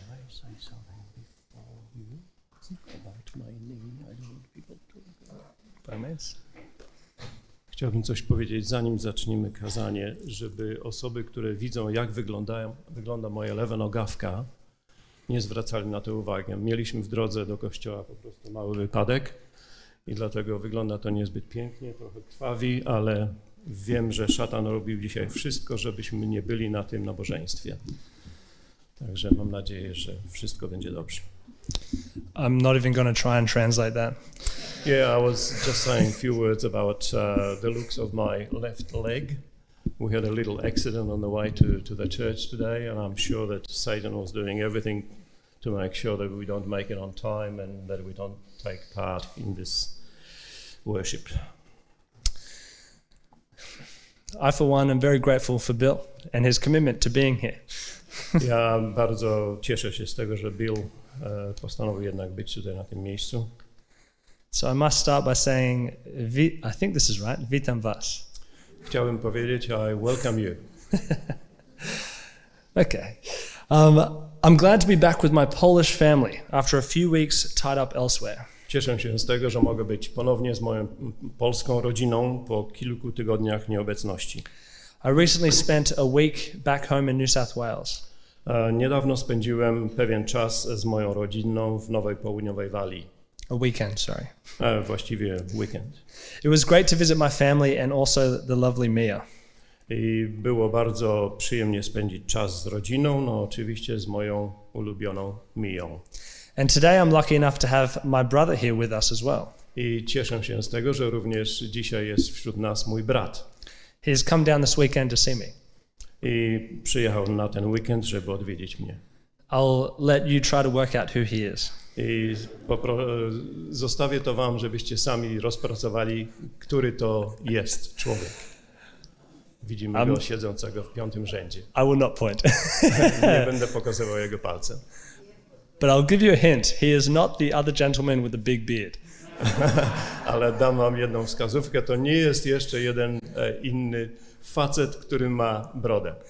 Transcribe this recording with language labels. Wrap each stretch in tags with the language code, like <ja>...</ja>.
<en>say something before you about my knee. I don't want people to...</en> <pl>Chciałbym coś powiedzieć, zanim zaczniemy kazanie, żeby osoby, które widzą, jak wygląda moja lewa nogawka, nie zwracali na to uwagi. Mieliśmy w drodze do kościoła po prostu mały wypadek i dlatego wygląda to niezbyt pięknie, trochę krwawi, ale wiem, że szatan robił dzisiaj wszystko, żebyśmy nie byli na tym nabożeństwie. Także mam nadzieję, że wszystko będzie dobrze.</pl> <en>I'm not even going to try and translate that. Yeah, I was just saying a few words about the looks of my left leg. We had a little accident on the way to the church today, and I'm sure that Satan was doing everything to make sure that we don't make it on time and that we don't take part in this worship. I, for one, am very grateful for Bill and his commitment to being here.</en> <pl>Ja bardzo cieszę się z tego, że Bill postanowił jednak być tutaj na tym miejscu.</pl> <en>So I must start by saying, I think this is right,</en> <pl>witam was. Chciałbym powiedzieć,</pl> <en>I welcome you. Okay. I'm glad to be back with my Polish family after a few weeks tied up elsewhere.</en> <pl>Cieszę się z tego, że mogę być ponownie z moją polską rodziną po kilku tygodniach nieobecności.</pl> <en>I recently spent a week back home in New South Wales.</en> <pl>Niedawno spędziłem pewien czas z moją rodziną w Nowej Południowej Walii.</pl> <en>A weekend, sorry.</en> <pl>Właściwie weekend.</pl> <en>It was great to visit my family and also the lovely Mia.</en> <pl>I było bardzo przyjemnie spędzić czas z rodziną, no oczywiście z moją ulubioną Miją.</pl> <en>And today I'm lucky enough to have my brother here with us as well.</en> <pl>I cieszę się z tego, że również dzisiaj jest wśród nas mój brat.</pl> <en>He's come down this weekend to see me.</en> <pl>I przyjechał na ten weekend, żeby odwiedzić mnie.</pl> <en>I'll let you try to work out who he is.</en> <pl>I zostawię to wam, żebyście sami rozpracowali, który to jest człowiek. Widzimy go siedzącego w piątym rzędzie.</pl> <en>I will not point.</en> <pl>Nie będę pokazywał jego palcem.</pl> <en>But I'll give you a hint. He is not the other gentleman with the big beard.</en> <pl>Ale dam wam jedną wskazówkę. To nie jest jeszcze jeden inny facet, który ma brodę.</pl>